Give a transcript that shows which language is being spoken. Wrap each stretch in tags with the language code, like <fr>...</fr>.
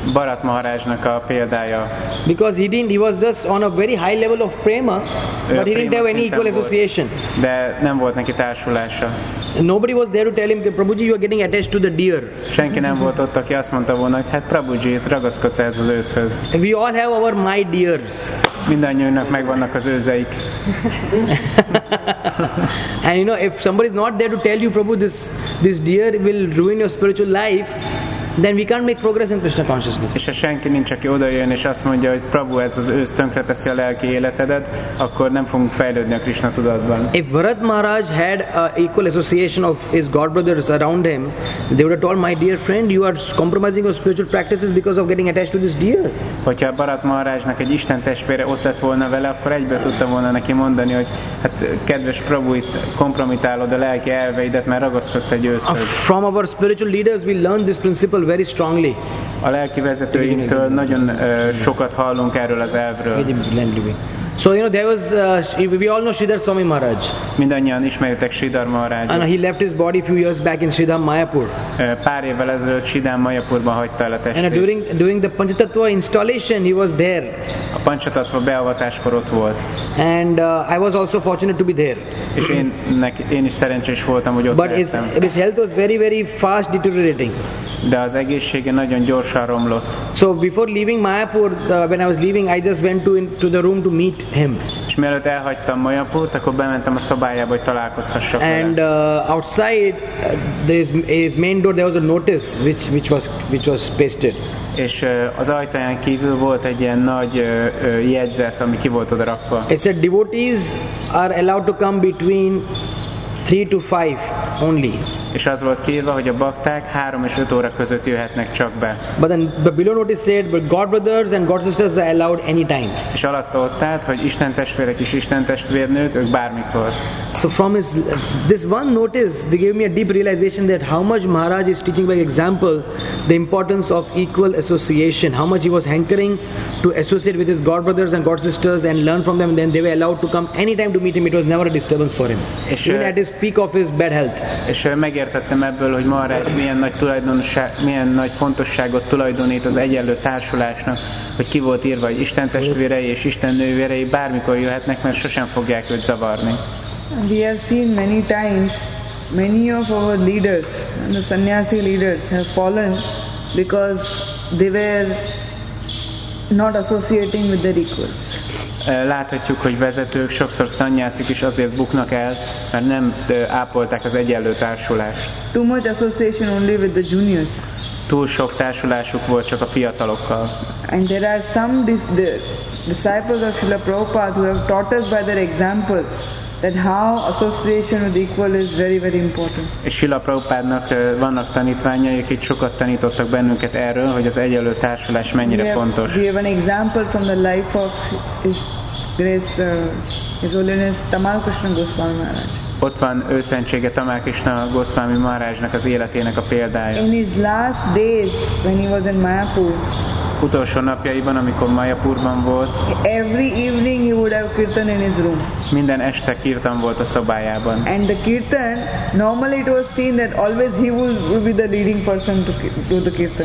<hu>Bharat Maharajnak a példája.</hu> <en>Because he was just on a very high level of prema, but he didn't have any equal association.</en> <hu>De nem volt neki társulása.</hu> <en>Nobody was there to tell him, Prabhuji, you are getting attached to the deer.</en> <hu>Senki nem volt ott, aki azt mondta volna, hogy hát Prabhuji, ragaszkodsz ez az őszhöz.</hu> <en>We all have our my dears.</en> <hu>Mindannyiunknak megvannak az őzeik.</hu> <en>And you know, if somebody is not there to tell you, Prabhu, this deer will ruin your spiritual life, then we can't make progress in Krishna consciousness.</en> <hu>És ha senki nincs, aki odajön és azt mondja, hogy Prabhu, ez az ősz tönkreteszi a lelki életedet, akkor nem fogunk fejlődni a Krishna tudatban.</hu> <en>If Bharat Maharaj had an equal association of his god brothers around him, they would have told, my dear friend, you are compromising your spiritual practices because of getting attached to this deer.</en> <hu>Hogyha Bharat Maharajnak egy Isten testvére ott lett volna vele, akkor egyből tudta volna neki mondani, hogy hát kedves Prabhu, itt kompromitálod a lelki elveidet, mert ragaszkodsz egy őszhöz.</hu> <en>From our spiritual leaders, we learn this principle very strongly.</en> <hu>A lelki vezetőinktől nagyon sokat hallunk erről az elvről.</hu> <en>So you know there was we all know Sridhar Swami Maharaj.</en> <hu>Mindannyian ismeritek Sridhar Maharajot.</hu> <en>And he left his body few years back in Sridhar Mayapur.</en> <hu>Pár évvel ezelőtt Sridhar Mayapurban hagyta el a testét.</hu> <en>And during the Panchatattva installation he was there.</en> <hu>A Panchatattva beavatáskor ott volt.</hu> <en>And I was also fortunate to be there.</en> <hu>És én is szerencsés voltam, hogy ott</hu> <en>But</en> <hu>lehettem.</hu> <en>But his health was very very fast deteriorating.</en> <hu>De az egészsége nagyon gyorsan romlott.</hu> <en>So before leaving Mayapur, when I was leaving, I just went to the room to meet him.</en> <hu>És mielőtt elhagytam Mayapurt, akkor bementem a szobájába, hogy találkozhassak vele.</hu> <en>And outside his main door there was a notice which was pasted.</en> <hu>És az ajtaján kívül volt egy ilyen nagy jegyzet, ami ki volt oda rakva.</hu> <en>It said devotees are allowed to come between 3 to 5 only.</en> <hu>És az volt kiírva, hogy a bakták 3 és 5 óra között jöhetnek csak be.</hu> <en>But then the below notice said, but God brothers and God sisters are allowed any time.</en> <hu>És alatt ott állt, hogy Isten testvérek és Isten testvérnők, ők bármikor.</hu> <en>So from this one notice, they gave me a deep realization that how much Maharaj is teaching by example the importance of equal association, how much he was hankering to associate with his God brothers and God sisters and learn from them, then they were allowed to come any time to meet him. It was never a disturbance for him. His peak of his bad health.</en> <hu>És megértettem ebből, hogy Maharaj milyen nagy fontosságot tulajdonít az egyenlő társulásnak, hogy ki volt írva, hogy Isten testvérei és Isten nővérei bármikor jöhetnek, mert sosem fogják őt zavarni.</hu> <en>We have seen many times many of our leaders, the sannyasi leaders, have fallen because they were not associating with their equals.</en> <hu>Láthatjuk, hogy vezetők sokszor szannyászik is azért buknak el, mert nem ápolták az egyenlő társulást.</hu> <en>Too much association only with the juniors.</en> <hu>Túl sok társulásuk volt csak a fiatalokkal.</hu> <en>And there are some the disciples of Srila Prabhupada who have taught us by their example that how association with equal is very very important.</en> <hu>És Srila Prabhupádnak vannak tanítványai, akik sokat tanítottak bennünket erről, hogy az egyenlő társulás mennyire fontos.</hu> <en>We have an example from the life of His Grace, His Holiness Tamal Krishna Goswami Maharaj.</en> <hu>Ott van őszentsége Tamal Krishna Goswami Maharajnak az életének a példája.</hu> <en>In his last days when he was in Mayapur.</en> <hu>Utolsó napjaiban, amikor Mayapurban volt.</hu> <en>Every evening he would have kirtan in his room.</en> <hu>Minden este kirtan volt a szobájában.</hu> <en>And the kirtan, normally it was seen that always he would be the leading person to do the kirtan.</en>